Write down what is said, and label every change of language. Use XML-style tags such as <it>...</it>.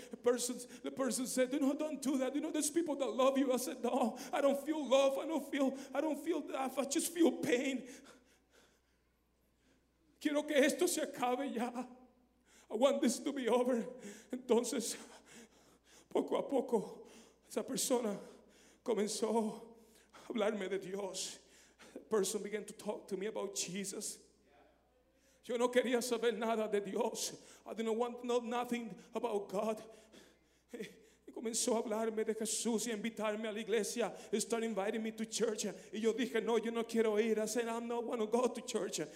<en>The person said, no, don't do that. You know, there's people that love you. I said, no, I don't feel love. I don't feel that. I just feel pain.</en> <es>Quiero que esto se acabe ya.</es> <en>I want this to be over.</en> <es>Entonces, poco a poco, esa persona comenzó a hablarme de Dios.</es> <en>The person began to talk to me about Jesus.</en> <es>Yo no quería saber nada de Dios.</es> <en>I didn't want to know nothing about God.</en> <es>Y comenzó a hablarme de Jesús y a invitarme a la iglesia.</es> <en>He started inviting me to church.</en> <es>Y yo dije, no, yo no quiero ir.</es> <en>I said, I don't want to go to church.</en>